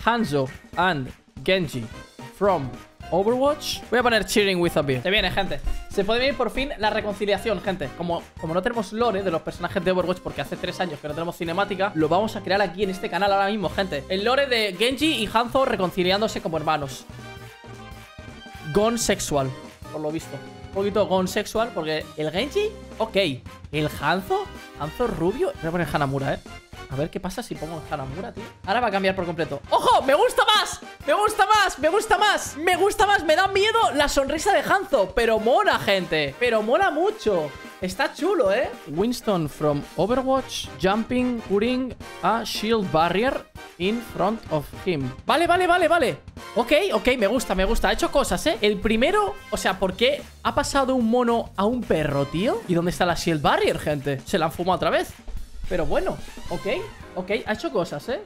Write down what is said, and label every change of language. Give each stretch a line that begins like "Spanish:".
English: Hanzo and Genji from Overwatch.
Spanish: Voy a poner Cheering with a Beer. Se viene, gente. Se puede venir por fin la reconciliación, gente. Como no tenemos lore de los personajes de Overwatch, porque hace 3 años que no tenemos cinemática, lo vamos a crear aquí en este canal ahora mismo, gente. El lore de Genji y Hanzo reconciliándose como hermanos.
English: Gone sexual,
Spanish: por lo visto. Un poquito
English: gone sexual,
Spanish: porque el Genji, ok. El Hanzo, Hanzo rubio. Voy a poner Hanamura, A ver qué pasa si pongo Hanamura, tío. Ahora va a cambiar por completo. ¡Ojo! ¡Me gusta más! ¡Me gusta más! ¡Me gusta más! ¡Me gusta más! ¡Me da miedo la sonrisa de Hanzo! ¡Pero mola, gente! ¡Pero mola mucho! ¡Está chulo, eh!
English: Winston from Overwatch jumping, putting a shield barrier in front of him.
Spanish: ¡Vale, vale, vale, vale! Ok, ok, me gusta, me gusta. Ha hecho cosas, ¿eh? El primero, o sea, ¿por qué ha pasado un mono a un perro, tío? ¿Y dónde está la shield barrier, gente? Se la han fumado otra vez. Pero bueno, ok, ok, ha hecho cosas, ¿eh?